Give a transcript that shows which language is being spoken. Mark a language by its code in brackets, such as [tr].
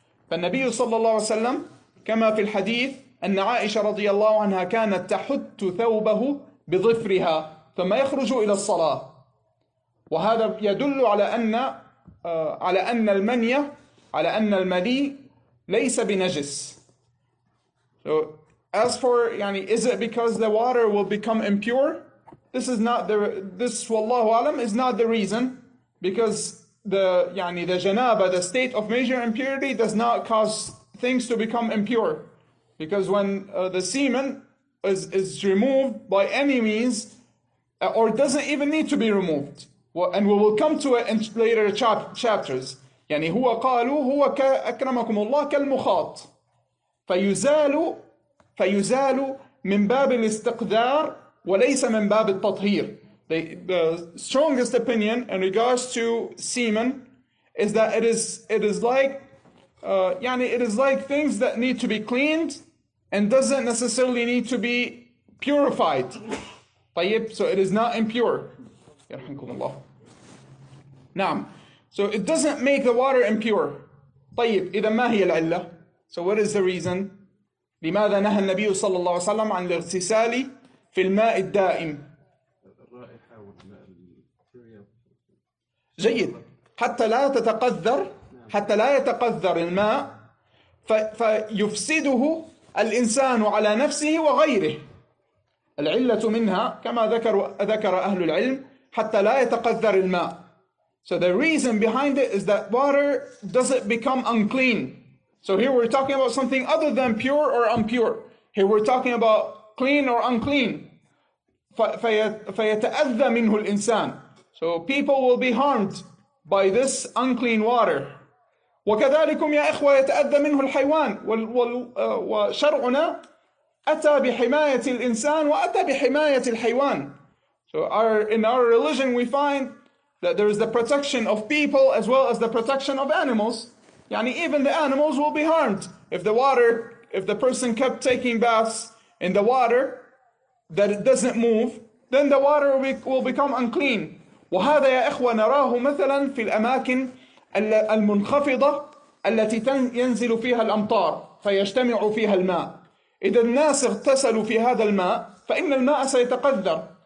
[ar] فالنبي صلى الله عليه وسلم كما في الحديث أن عائشة رضي الله عنها كانت تحت ثوبه بظفرها ثم يخرج إلى الصلاة. وهذا يدل على أن المني على أن المني ليس بنجس. [en] So, as for يعني is it because the water will become impure? This is not the this [ar] والله أعلم [en] is not the reason because the يعني the جنابة the state of major impurity does not cause things to become impure because when the semen is removed by any means or doesn't even need to be removed. Well, and we will come to it in later chapters. [ar] يعني هو قالوا هو كأكرمكم الله كالمخاط فيزال من باب الاستقذار وليس من باب التطهير. [en] The strongest opinion in regards to semen is that it is like things that need to be cleaned and doesn't necessarily need to be purified. [ar] طيب, [en] so it is not impure. [ar] يرحمكم الله. نعم. [en] So it doesn't make the water impure. [ar] طيب, إذا ما هي العلة؟ [en] So what is the reason? [ar] لماذا نهى النبي صلى الله عليه وسلم عن الاغتسال في الماء الدائم؟ الرائحة والماء جيد. حتى لا يتقذر الماء فيفسده الإنسان على نفسه وغيره. العلة منها كما ذكر أهل العلم حتى لا يتقذر الماء. [en] So the reason behind it is that water doesn't become unclean. So here we're talking about something other than pure or impure. Here we're talking about clean or unclean. [ar] فيتأذى منه الإنسان. [en] So people will be harmed by this unclean water. [ar] وكذلكم يا إخوة يتأذى منه الحيوان. وشرعنا أتى بحماية الإنسان وأتى بحماية الحيوان. [en] So in our religion we find that there is the protection of people as well as the protection of animals. يعني even the animals will be harmed. If the person kept taking baths in the water, that it doesn't move, then the water will become unclean. [ar] وهذا يا إخوة نراه مثلا في الأماكن المنخفضة التي ينزل فيها الأمطار فيجتمع فيها الماء. إذا الناس اغتسلوا في هذا الماء فإن الماء سيتقذر.